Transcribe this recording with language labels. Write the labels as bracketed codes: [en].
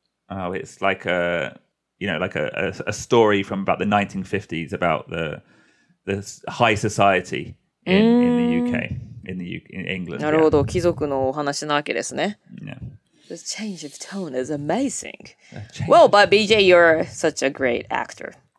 [en] Oh, it's like a, you know, like a story from about the 1950s about the high society in the UK, in England. [ja] なるほど、 [en] yeah. [ja] 貴族のお話なわけですね。 [en] Yeah. The change of tone is amazing. Well, but BJ, you're such a great actor.